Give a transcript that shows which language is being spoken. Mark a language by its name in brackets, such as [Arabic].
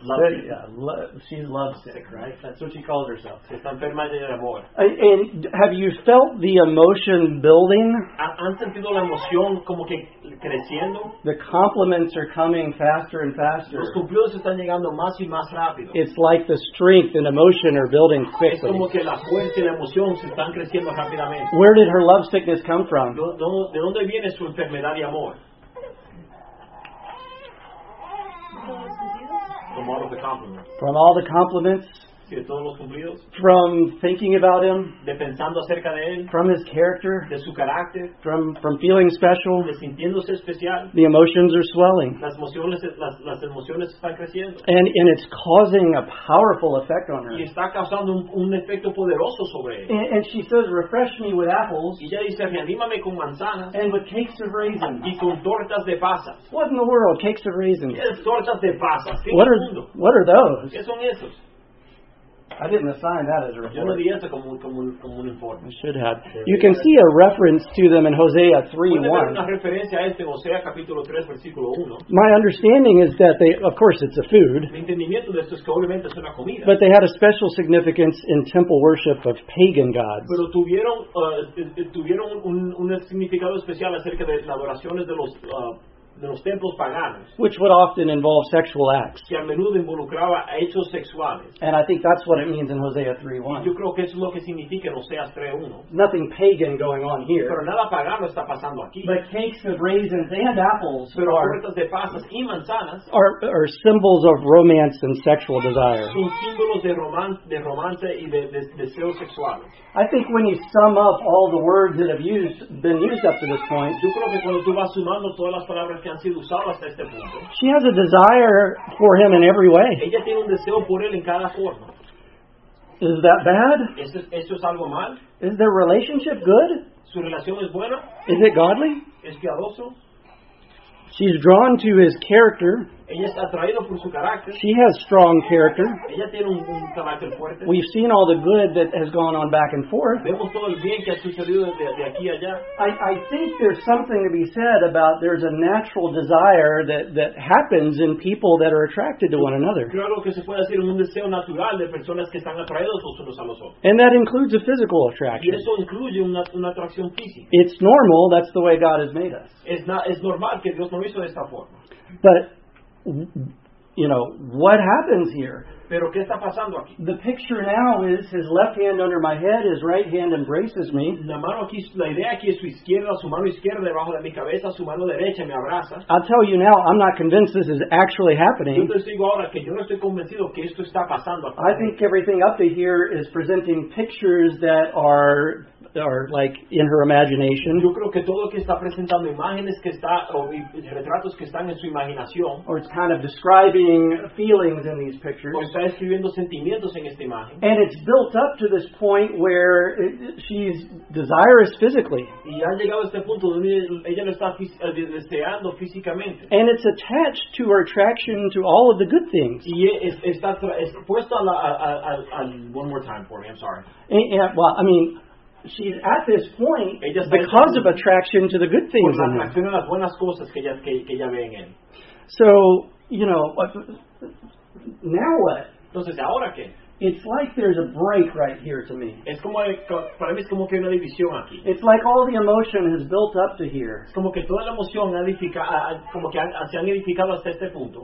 [English] Sick, yeah. She's lovesick, sick, right? That's what she calls herself. [Spanish] Se está enferma de amor. [English] And have you felt the emotion building? [Spanish] ¿Han sentido la emoción como que creciendo? [English] The compliments are coming faster and faster. [Spanish] Los cumplidos están llegando más y más rápido. [English] It's like the strength and emotion are building quickly. [Spanish] Es como que la fuerza y la emoción se están creciendo rápidamente. [English] Where did her love sickness come from? [Spanish] ¿De dónde viene su enfermedad de amor? [English] From all the compliments. [Spanish] Sí, de todos los cumplidos. [English] From thinking about him. [Spanish] De pensando acerca de él. [English] From his character. [Spanish] De su carácter. [English] From feeling special. [Spanish] De sintiéndose especial. [English] The emotions are swelling. [Spanish] Las emociones están creciendo. [English] And it's causing a powerful effect on her. [Spanish] Y está causando un efecto poderoso sobre él. [English] And she says, refresh me with apples. [Spanish] Y ella dice, reanímame con manzanas. [English] And with cakes of raisins. [Spanish] Y con tortas de pasas. [English] What in the world, cakes of raisins? [Spanish] ¿Qué es tortas de pasas? [English] What are those? [Spanish] ¿Qué son esos? [English] I didn't assign that as a report. [Spanish] Yo no di eso como un informe. [English] I should have. You can see a reference to them in Hosea 3:1. [Spanish] Puede ver una referencia a este en Hosea capítulo 3 versículo 1. [English] My understanding is that they, of course, it's a food. [Spanish] Mi entendimiento de esto es que obviamente es una comida. [English] But they had a special significance in temple worship of pagan gods. [Spanish] Pero tuvieron un significado especial acerca de las adoraciones de los templos paganos, [English] which would often involve sexual acts. [Spanish] Que a menudo involucraba hechos sexuales. [English] And I think that's what it means in Hosea 3:1. [Spanish] Yo creo que eso es lo que significa en Hoseas 3:1. [English] Nothing pagan going on here. [Spanish] Pero nada pagano está pasando aquí. [English] But cakes of raisins and apples, [Spanish] pero tortas de pasas y manzanas, [English] are symbols of romance and sexual desire. [Spanish] Son símbolos de romance y de deseos sexuales. [English] I think when you sum up all the words that have been used up to this point, [Spanish] yo creo que cuando tú vas sumando todas las palabras. [English] She has a desire for him in every way. [Spanish] Ella tiene un deseo por él en cada forma. [English] Is that bad? [Spanish] ¿Eso es algo mal? [English] Is their relationship good? [Spanish] ¿Su relación es buena? [English] Is it godly? [Spanish] ¿Es piadoso? [English] She's drawn to his character. [Spanish] Ella está atraída por su carácter. [English] She has strong character. [Spanish] Ella tiene un carácter fuerte. [English] We've seen all the good that has gone on back and forth. [Spanish] Vemos todo el bien que ha sucedido de aquí allá. [English] I think there's something to be said about there's a natural desire that happens in people that are attracted to one another. [Spanish] Claro que se puede decir un deseo natural de personas que están atraídos los unos a los otros. [English] And that includes a physical attraction. [Spanish] Y eso incluye una atracción física. [English] It's normal. That's the way God has made us. [Spanish] Es normal que Dios nos hizo de esta forma. [English] But you know, what happens here? [Spanish] ¿Pero qué está pasando aquí? [English] The picture now is his left hand under my head, his right hand embraces me. I'll tell you now, I'm not convinced this is actually happening. I think everything up to here is presenting pictures that are are like in her imagination. [Spanish] Yo creo que todo que está presentando imágenes que está o retratos que están en su imaginación. [English] Or it's kind of describing feelings in these pictures. [Spanish] O está escribiendo sentimientos en esta imagen. [English] And it's built up to this point where she's desirous physically. [Spanish] Y ha llegado a este punto donde ella lo está deseando físicamente. [English] And it's attached to her attraction to all of the good things. [Spanish] Y está puesto [English] one more time for me. I'm sorry. Yeah, well, I mean, she's at this point because of attraction to the good things in him. So, you know, now what? [Spanish] Entonces, ¿ahora qué? [English] It's like there's a break right here to me. [Spanish] Es como, para mí es como que hay una división aquí. [English] It's like all the emotion has built up to here. [Spanish] Es como que toda la emoción ha como que se han edificado hasta este punto.